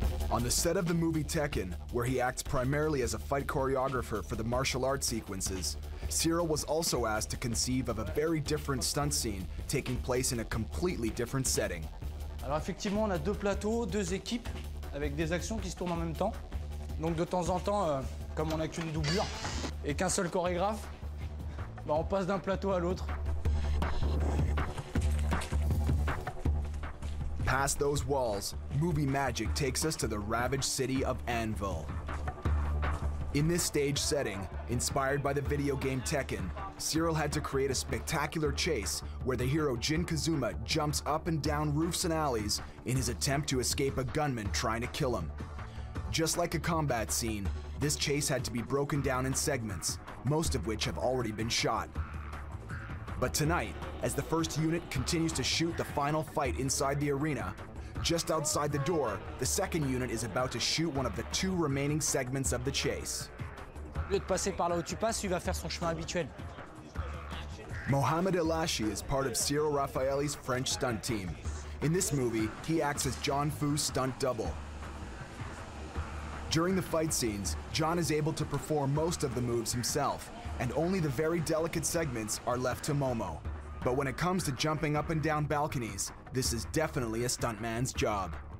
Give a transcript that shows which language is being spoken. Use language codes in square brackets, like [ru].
[en] On the set of the movie Tekken, where he acts primarily as a fight choreographer for the martial arts sequences, Cyril was also asked to conceive of a very different stunt scene taking place in a completely different setting. [fr] Alors effectivement, on a deux plateaux, deux équipes avec des actions qui se tournent en même temps. Donc de temps en temps, comme on n'a qu'une doublure et qu'un seul chorégraphe, bah on passe d'un plateau à l'autre. [en] Past those walls, movie magic takes us to the ravaged city of Anvil. In this stage setting, inspired by the video game Tekken, Cyril had to create a spectacular chase where the hero Jin Kazuma jumps up and down roofs and alleys in his attempt to escape a gunman trying to kill him. Just like a combat scene, this chase had to be broken down in segments, most of which have already been shot. But tonight, as the first unit continues to shoot the final fight inside the arena, just outside the door, the second unit is about to shoot one of the two remaining segments of the chase. [fr] Au lieu de passer par là où tu passes, il va faire son chemin habituel. [en] Mohamed Elashi is part of Cyril Raffaelli's French stunt team. In this movie, he acts as John Fu's stunt double. During the fight scenes, John is able to perform most of the moves himself, and only the very delicate segments are left to Momo. But when it comes to jumping up and down balconies, this is definitely a stuntman's job.